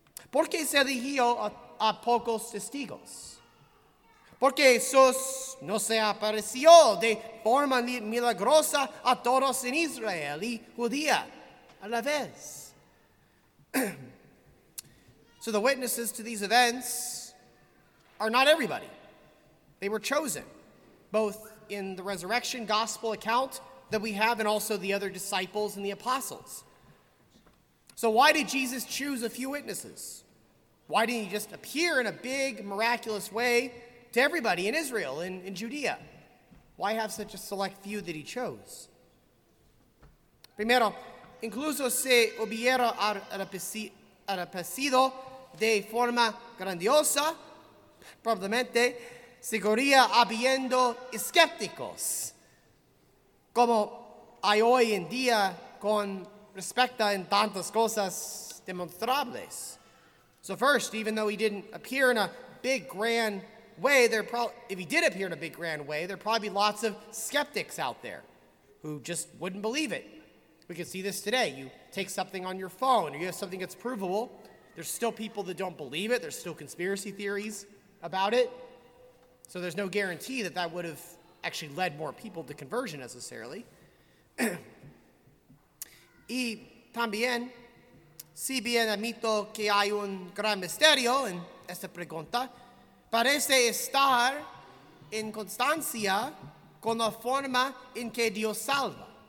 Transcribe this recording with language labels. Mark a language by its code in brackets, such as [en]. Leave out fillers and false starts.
[es] ¿Por qué se eligió a pocos testigos? Porque Jesús no se apareció de forma milagrosa a todos en Israel y Judía a la vez. [en] So the witnesses to these events are not everybody. They were chosen, both in the resurrection gospel account that we have and also the other disciples and the apostles. So why did Jesus choose a few witnesses? Why didn't he just appear in a big, miraculous way to everybody in Israel, in Judea? Why have such a select few that he chose? Primero, incluso se hubiera aparecido de forma grandiosa, probablemente seguiría habiendo escépticos, como hay hoy en día con respecto en tantas cosas demostrables. So first, even though he didn't appear in a big, grand way, there'd probably be lots of skeptics out there who just wouldn't believe it. We can see this today. You take something on your phone, or you have something that's provable, there's still people that don't believe it. There's still conspiracy theories about it. So there's no guarantee that that would have actually led more people to conversion necessarily. [es] Y también, si bien admito que hay un gran misterio en esta pregunta, parece estar en constancia con la forma en que Dios salva.